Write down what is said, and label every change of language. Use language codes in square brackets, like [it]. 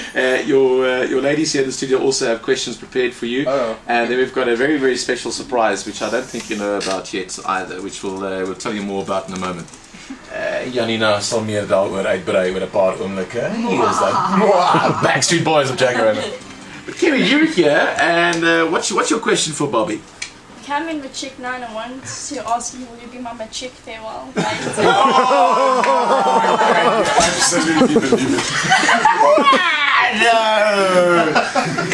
[en] Your ladies here in the studio also have questions prepared for you, and then we've got a very, very special surprise, which I don't think you know about yet either, which we'll tell you more about in a moment. [af] Janina sal meer daaroor uitbrei oor 'n paar oomblikke. [en] Here's that. Backstreet Boys of Jacaranda. But Kimmy, you're here, and what's your question for Bobby? Cameron the chick 9 wants to ask you, will you be my chick farewell? Oh, no.